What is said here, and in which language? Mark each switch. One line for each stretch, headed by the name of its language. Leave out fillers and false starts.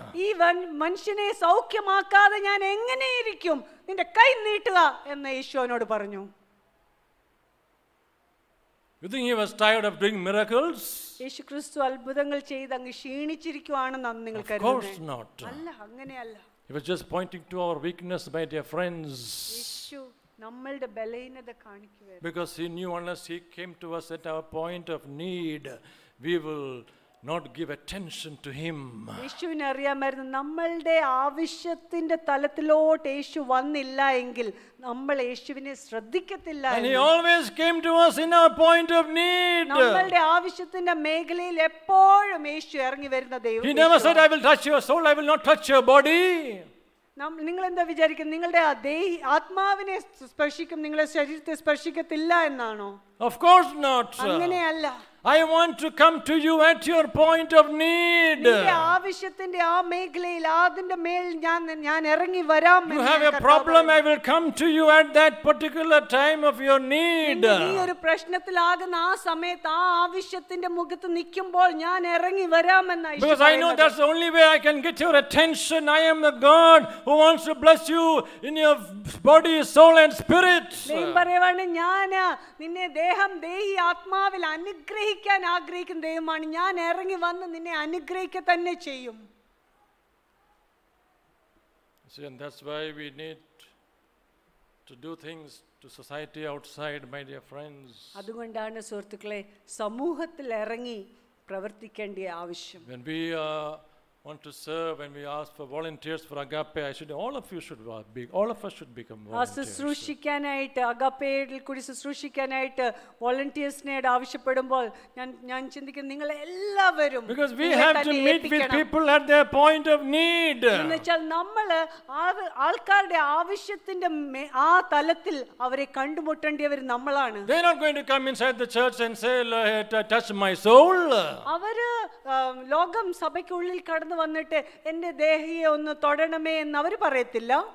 Malayalam: Even മനുഷ്യനെ സൗഖ്യമാക്കാതെ ഞാൻ എങ്ങനെ ഇരിക്കും? നിന്റെ കൈ നീട്ടുക എന്ന് യേശു അവനോട് പറഞ്ഞു.
English: You think he was tired of doing miracles?
Malayalam: യേശു ക്രിസ്തു അത്ഭുതങ്ങൾ ചെയ്ത് അങ്ങ് ക്ഷീണിച്ചിരിക്കുകയാണെന്ന് അന്ന് നിങ്ങൾ കരുതുന്നു? അല്ല, അങ്ങനെയല്ല.
English: He was just pointing to our weakness, my dear friends.
Malayalam: യേശു നമ്മളുടെ ബലഹീനത കാണിക്കുകയാണ്.
English: Because he knew unless he came to us at our point of need, we will not give attention to him.
Malayalam: യേശുവിനെ അറിയാമായിരുന്നു, നമ്മളുടെ ആവശ്യത്തിന്റെ തലത്തിലോട്ട് യേശു വന്നില്ലെങ്കിൽ നമ്മൾ യേശുവിനെ ശ്രദ്ധിക്കത്തില്ല.
English: And he always came to us in our point of need.
Malayalam: നമ്മളുടെ ആവശ്യത്തിന്റെ മേഖലയിൽ എപ്പോഴും യേശു ഇറങ്ങി വരുന്ന ദൈവം.
English: He never said, I will touch your soul, I will not touch your body.
Malayalam: നിങ്ങൾ എന്താ വിചാരിക്കുന്നത്? നിങ്ങളുടെ ആത്മാവിനെ സ്പർശിക്കും, നിങ്ങളെ ശരീരത്തെ സ്പർശിക്കത്തില്ല എന്നാണോ?
English: Of course not.
Malayalam: അങ്ങനെയല്ല.
English: I want to come to you at your point of need.
Malayalam: ഈ ആവശ്യത്തിന്റെ ആ മേഖലയിൽ ആദിന്റെ മേൽ ഞാൻ ഇറങ്ങി വരാം എന്ന് കർത്താവേ.
English: You have a problem, I will come to you at that particular time of your need.
Malayalam: ഈ ഒരു പ്രശ്നത്തിൽ ആകുന്ന ആ സമയത്ത് ആ ആവശ്യത്തിന്റെ മുഖത്ത് നിൽക്കുമ്പോൾ ഞാൻ ഇറങ്ങി വരാം എന്ന് Isho.
English: Because I know that's the only way I can get your attention. I am the God who wants to bless you in your body, soul and spirit.
Malayalam: ദൈവം പറയുവാണ്, ഞാൻ നിന്നെ ദേഹം ദേഹി ആത്മാവിൽ അനുഗ്രഹിക്കും. ദൈവമാണ് ഞാൻ ഇറങ്ങി വന്ന് നിന്നെ അനുഗ്രഹിക്ക തന്നെ ചെയ്യും.
English: That's why we need to do things to society outside, my dear friends.
Malayalam: അതുകൊണ്ടാണ് സുഹൃത്തുക്കളെ സമൂഹത്തിൽ ഇറങ്ങി പ്രവർത്തിക്കേണ്ട ആവശ്യം.
English: When we want to serve, when we ask for volunteers for Agape, I said all of us should become volunteers.
Malayalam: ശുശ്രൂഷിക്കാനായിട്ട് അഗാപ്പേയിൽ കൂടി ശുശ്രൂഷിക്കാനായിട്ട് വോളണ്ടിയേഴ്സിനെ ആവശ്യപ്പെടുമ്പോൾ ഞാൻ ചിന്തിക്കുന്നു, നിങ്ങൾ എല്ലാവരും.
English: Because we have to meet with people at their point of need.
Malayalam: എന്നുവെച്ചാൽ നമ്മൾ ആൾക്കാരുടെ ആവശ്യത്തിന്റെ ആ തലത്തിൽ അവരെ കണ്ടുമുട്ടേണ്ടിയവർ നമ്മളാണ്.
English: They're not going to come inside the church and say, touch my soul.
Malayalam: അവര് ലോകം സഭയ്ക്കുള്ളിൽ കടന്നു വന്നിട്ട് എന്റെ ദേഹിയെ ഒന്ന് തൊടണമേ എന്ന് അവർ പറയത്തില്ല.